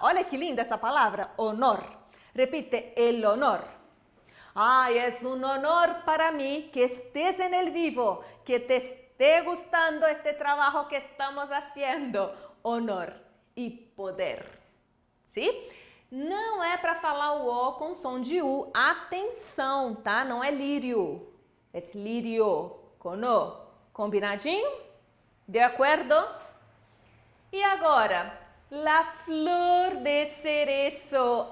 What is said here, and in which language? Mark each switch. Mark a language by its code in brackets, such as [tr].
[pt] Olha que linda essa palavra, honor. [es] Repite, el honor. Ay, es un honor para mí que estés en el vivo, que te esté gustando este trabajo que estamos haciendo. Honor y poder. ¿Sí? [pt] Não é para falar o O com som de U. Atenção, tá? Não é lírio. [es] Es lirio, con O. [pt] Combinadinho? De acordo? E agora, [es] la flor de cerezo.